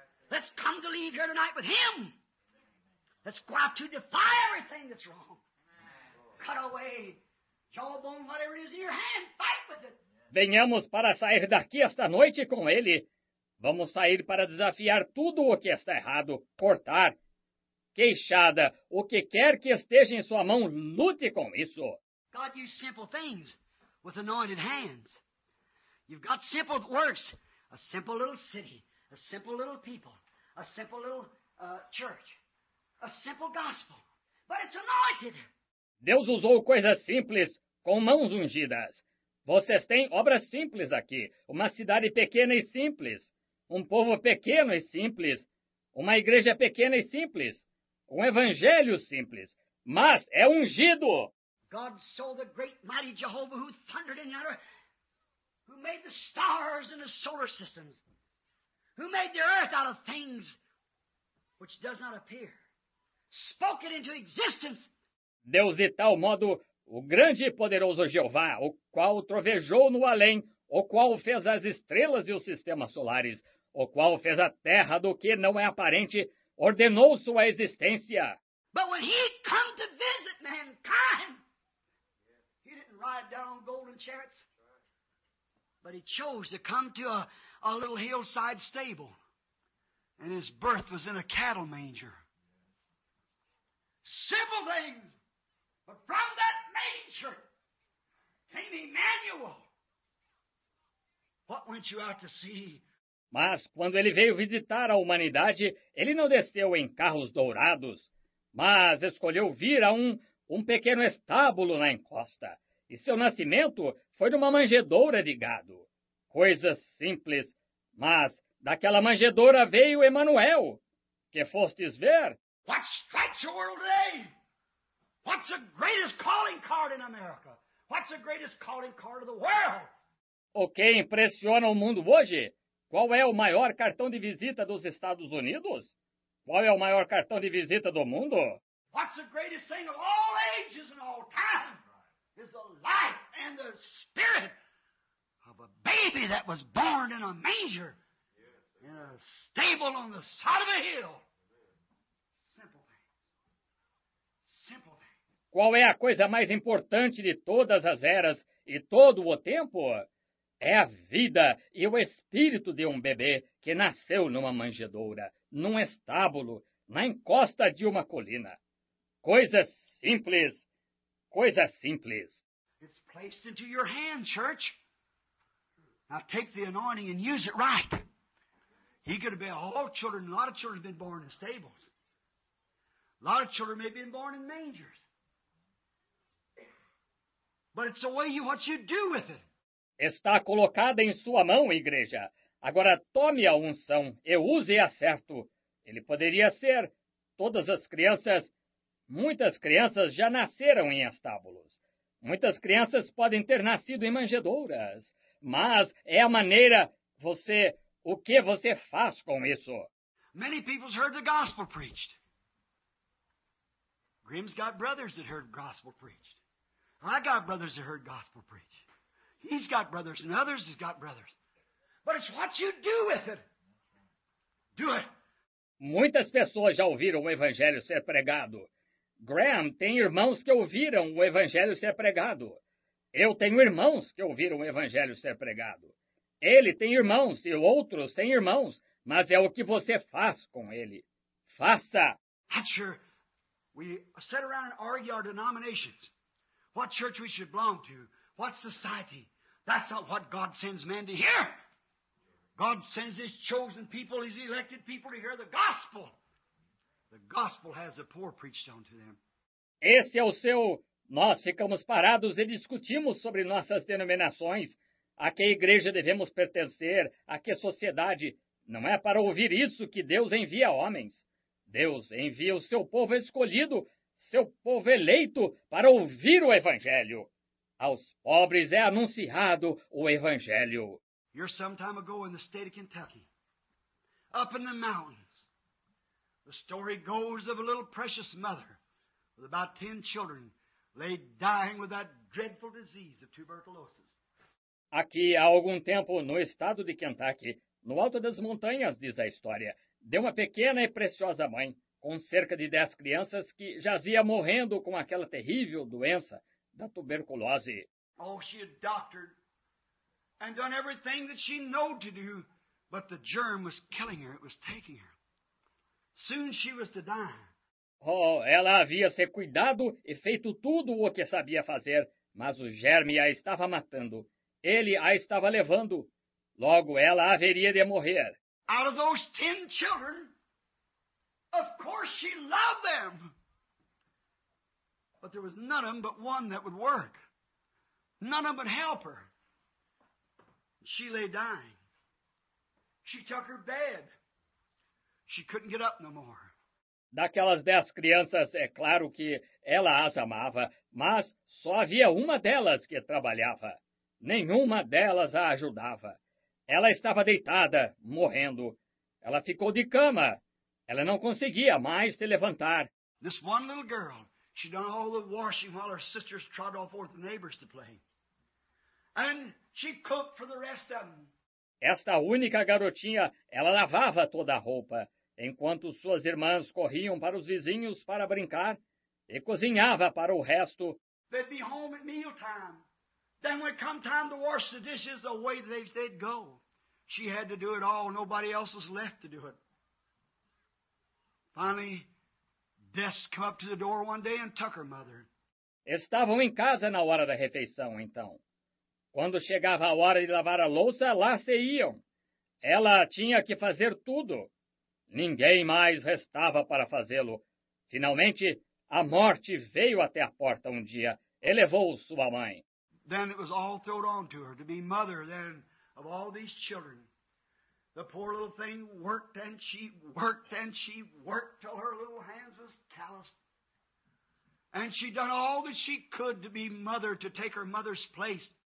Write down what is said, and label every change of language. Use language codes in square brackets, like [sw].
[en] Let's come to leave here tonight with him. Let's go out to defy everything that's wrong. Cut away. Jawbone, whatever it is in your hand, fight with it. [pt] Venhamos para sair daqui esta noite com ele. Vamos sair para desafiar tudo o que está errado. Cortar. Queixada. O que quer que esteja em sua mão, lute com isso. [en] God used simple things with anointed hands. You've got simple works. A simple little city. A simple little people. A simple little church. A simple gospel. But it's anointed. [pt] Deus usou coisas simples com mãos ungidas. Vocês têm obras simples aqui. Uma cidade pequena e simples. Um povo pequeno e simples. Uma igreja pequena e simples. Um evangelho simples. Mas é ungido. [en] God saw the great mighty Jehovah who thundered in the earth, who made the stars and the solar systems, who made the earth out of things which does not appear, spoke it into existence. [pt] Deus, de tal modo, o grande e poderoso Jeová, o qual trovejou no além, o qual fez as estrelas e os sistemas solares, o qual fez a terra do que não é aparente, ordenou sua existência. [en] But when he come to visit mankind, he didn't ride down golden chariots, but he chose to come to a little hillside stable, and his birth was in a cattle manger. Simple things, but from that manger came Emmanuel. What went you out to see? [pt] Mas quando ele veio visitar a humanidade, ele não desceu em carros dourados, mas escolheu vir a um pequeno estábulo na encosta. E seu nascimento foi numa manjedoura de gado. Coisas simples, mas daquela manjedoura veio Emmanuel. Que fostes ver? [en] What strikes the world today? What's the greatest calling card in America? What's the greatest calling card of the world? [pt] O que impressiona o mundo hoje? Qual é o maior cartão de visita dos Estados Unidos? Qual é o maior cartão de visita do mundo? [en] What's the greatest thing of all ages and all time is the life and the spirit of a baby that was born in a manger in a stable on the side of a hill. Simple thing. Simple thing. [pt] Qual é a coisa mais importante de todas as eras e todo o tempo? É a vida e o espírito de um bebê que nasceu numa manjedoura, num estábulo, na encosta de uma colina. Coisa simples, coisa simples. [en] It's placed into your hand, church. Now take the anointing and use it right. He could have been all children. A lot of children have been born in stables. A lot of children may have been born in mangers. But it's the way you, what you do with it. [pt] Está colocada em sua mão, igreja. Agora tome a unção e use-a certo. Ele poderia ser. Todas as crianças, muitas crianças já nasceram em estábulos. Muitas crianças podem ter nascido em manjedouras. Mas é a maneira, você, o que você faz com isso? [en] Many people heard the gospel preached. Grimm's got brothers that heard gospel preached. I got brothers that heard gospel preached. He's got brothers, and others has got brothers. But it's what you do with it. Do it. [pt] Muitas pessoas já ouviram o evangelho ser pregado. Graham tem irmãos que ouviram o evangelho ser pregado. Eu tenho irmãos que ouviram o evangelho ser pregado. Ele tem irmãos e outros têm irmãos, mas é o que você faz com ele. Faça. [en] That's your, we sit around and argue our denominations. What church we should belong to. What society? That's not what God sends man to hear. God sends his chosen people, his elected people to hear the gospel. The gospel has the poor preached unto them. [pt] Esse é o seu... Nós ficamos parados e discutimos sobre nossas denominações. A que igreja devemos pertencer? A que sociedade? Não é para ouvir isso que Deus envia homens. Deus envia o seu povo escolhido, seu povo eleito, para ouvir o evangelho. Aos pobres é anunciado o evangelho. [en] You're some time ago in the state of Kentucky, up in the mountains. The story goes of a little precious mother with about 10 children laid dying with that dreadful disease of tuberculosis. [pt] Aqui há algum tempo, no estado de Kentucky, no alto das montanhas, diz a história, de uma pequena e preciosa mãe com cerca de 10 crianças que jazia morrendo com aquela terrível doença. Da tuberculose. [en] Oh, she had doctored and done everything that she knew to do, but the germ was killing her, it was taking her. Soon she was to die. [pt] Oh, ela havia se cuidado e feito tudo o que sabia fazer, mas o germe a estava matando. Ele a estava levando. Logo ela haveria de morrer. [en] Out of those 10 children, of course she loved them. But there was none of them but one that would work. None of them would help her. She lay dying. She took her bed. She couldn't get up no more. [pt] Daquelas 10 crianças, é claro que ela as amava, mas só havia uma delas que trabalhava. Nenhuma delas a ajudava. Ela estava deitada, morrendo. Ela ficou de cama. Ela não conseguia mais se levantar. [en] This one little girl. She done all the washing while her sisters trotted off over the neighbors to play. And she cooked for the rest of them. [pt] Esta única garotinha, ela lavava toda a roupa, enquanto suas irmãs corriam para os vizinhos para brincar e cozinhava para o resto. [en] They'd be home at mealtime. Then when it come time to wash the dishes, away they'd go. She had to do it all. Nobody else was left to do it. Finally, Des come up to the door one day and tuck her mother. [pt] Estavam em casa na hora da refeição, então. Quando chegava a hora de lavar a louça, lá se iam. Ela tinha que fazer tudo. Ninguém mais restava para fazê-lo. Finalmente, a morte veio até a porta um dia e levou sua mãe. [en] Then it was all thrown on to her to be mother then of all these children. The poor little thing worked and she worked and she worked till her little hands was calloused. And she done all that she could to be mother, to take her mother's place.